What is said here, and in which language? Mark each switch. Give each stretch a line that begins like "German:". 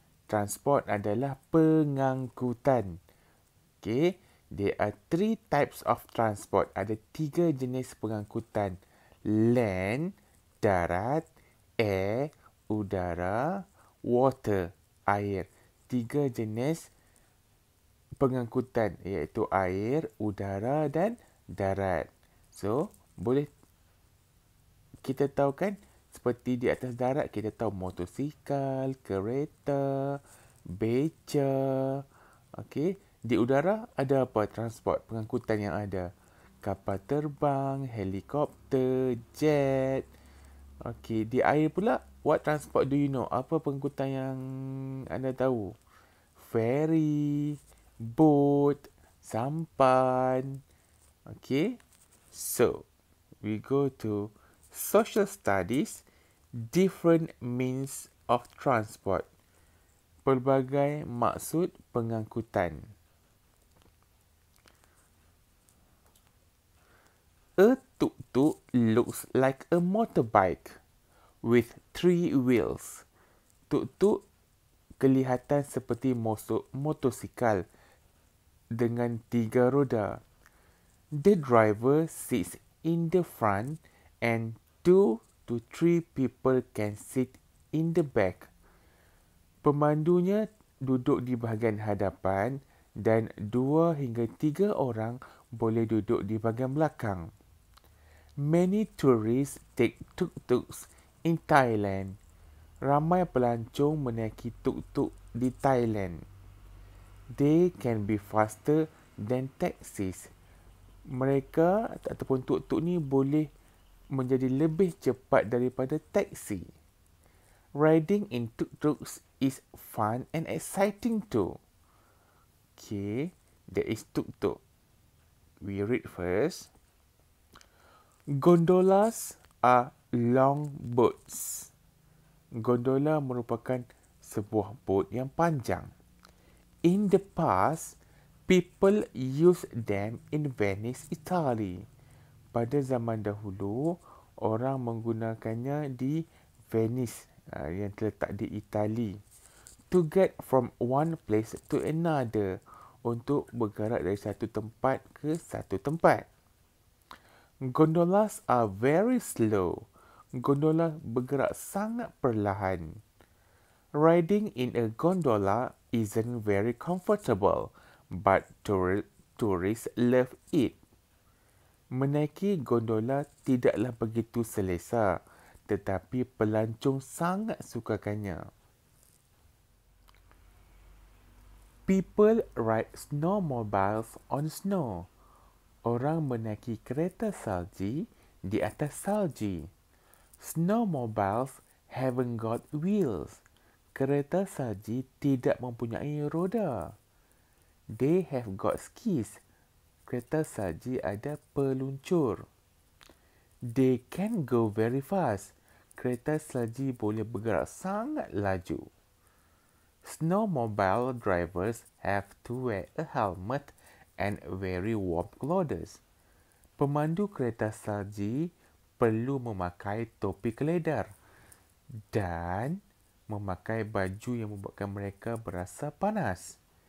Malay: Transport adalah pengangkutan.
English: Okay, there are three types of transport.
Malay: Ada tiga jenis pengangkutan. Land, darat, air, udara, water, air. Tiga jenis pengangkutan iaitu air, udara dan darat. So, boleh kita tahu kan? Seperti di atas darat, kita tahu motosikal, kereta, beca. Okey, di udara ada apa transport pengangkutan yang ada? Kapal terbang, helikopter, jet. Okey, di air pula,
English: what transport do you know?
Malay: Apa pengangkutan yang anda tahu?
English: Ferry, boat, sampan. Okey, so we go to social studies. Different means of transport.
Malay: Pelbagai maksud pengangkutan.
English: A tuk-tuk looks like a motorbike with three wheels.
Malay: Tuk-tuk kelihatan seperti motosikal dengan tiga roda.
English: The driver sits in the front and two to three people can sit in the back.
Malay: Pemandunya duduk di bahagian hadapan dan dua hingga tiga orang boleh duduk di bahagian belakang.
English: Many tourists take tuk-tuks in Thailand.
Malay: Ramai pelancong menaiki tuk-tuk di Thailand.
English: They can be faster than taxis.
Malay: Mereka ataupun tuk-tuk ni boleh menjadi lebih cepat daripada taksi.
English: Riding in tuk-tuks is fun and exciting too. Okay, that is tuk-tuk. We read first. Gondolas are long boats.
Malay: Gondola merupakan sebuah boat yang panjang.
English: In the past, people used them in Venice, Italy.
Malay: Pada zaman dahulu, orang menggunakannya di Venice yang terletak di Itali.
English: To get from one place to another.
Malay: Untuk bergerak dari satu tempat ke satu tempat.
English: Gondolas are very slow.
Malay: Gondola bergerak sangat perlahan.
English: Riding in a gondola isn't very comfortable. But tourists love it.
Malay: Menaiki gondola tidaklah begitu selesa, tetapi pelancong sangat sukakannya.
English: People ride snowmobiles on snow.
Malay: Orang menaiki kereta salji di atas salji.
English: Snowmobiles haven't got wheels.
Malay: Kereta salji tidak mempunyai roda.
English: They have got skis.
Malay: Kereta salji ada peluncur.
English: They can go very fast.
Malay: Kereta salji boleh bergerak sangat laju.
English: Snowmobile drivers have to wear a helmet and very warm clothes.
Malay: Pemandu kereta salji perlu memakai topi keledar dan memakai baju yang membuatkan mereka berasa panas.